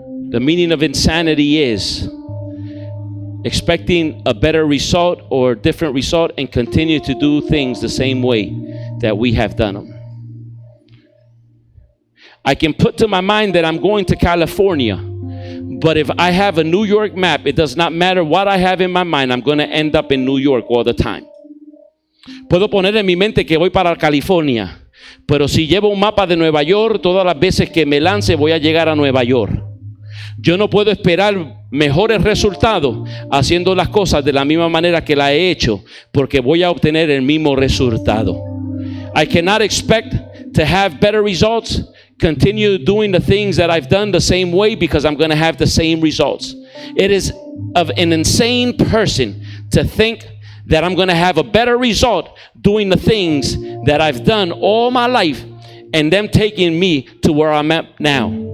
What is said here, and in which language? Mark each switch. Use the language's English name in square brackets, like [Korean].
[English] The meaning of insanity is expecting a better result or different result and continue to do things the same way that we have done them. I can put to my mind that I'm going to California, but if I have a New York map, it does not matter what I have in my mind, I'm going to end up in New York all the time. [Spanish] Puedo poner en mi mente que voy para California, pero si llevo un mapa de Nueva York, todas las veces que me lance voy a llegar a Nueva York. Yo no puedo esperar mejores resultados haciendo las cosas de la misma manera que la he hecho, porque voy a obtener el mismo resultado. [English] I cannot expect to have better results, continue doing the things that I've done the same way, because I'm going to have the same results. It is of an insane person to think that I'm going to have a better result doing the things that I've done all my life and them taking me to where I'm at now.